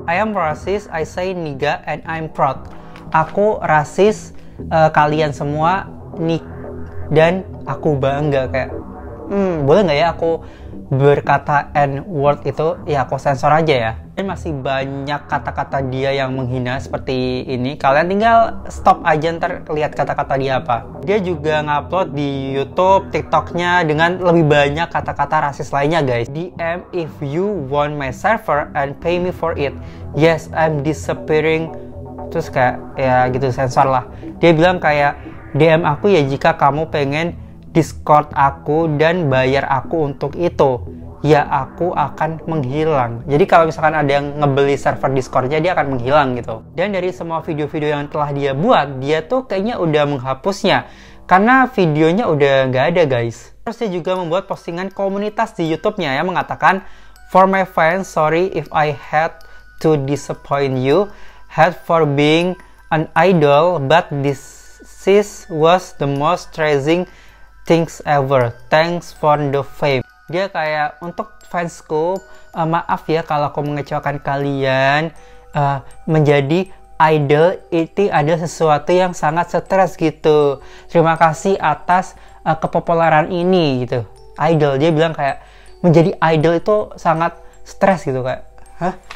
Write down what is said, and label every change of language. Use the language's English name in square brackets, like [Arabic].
[English] I am racist, I say nigga and I'm proud. [Indonesian] Aku rasis, kalian semua nih, dan aku bangga. Kayak, boleh nggak ya aku berkata N-word itu? Ya aku sensor aja ya. Dan masih banyak kata-kata dia yang menghina seperti ini. Kalian tinggal stop aja ntar lihat kata-kata dia apa. Dia juga ngupload di YouTube, TikToknya dengan lebih banyak kata-kata rasis lainnya guys. [English] DM if you want my server and pay me for it. Yes, I'm disappearing. [Indonesian] Terus kayak, ya gitu, sensor lah. Dia bilang kayak, DM aku ya jika kamu pengen Discord aku dan bayar aku untuk itu, ya aku akan menghilang. Jadi kalau misalkan ada yang ngebeli server Discordnya, dia akan menghilang gitu. Dan dari semua video-video yang telah dia buat, dia tuh kayaknya udah menghapusnya karena videonya udah nggak ada guys. Terus dia juga membuat postingan komunitas di YouTube-nya yang mengatakan, [English] for my fans, sorry if I had to disappoint you, had for being an idol, but this was the most tragic things ever. Thanks for the fame. [Indonesian] Dia kayak, untuk fansku, maaf ya kalau aku mengecewakan kalian. Menjadi idol itu ada sesuatu yang sangat stres gitu. Terima kasih atas kepopuleran ini gitu. Idol, dia bilang kayak menjadi idol itu sangat stres gitu kayak. Hah?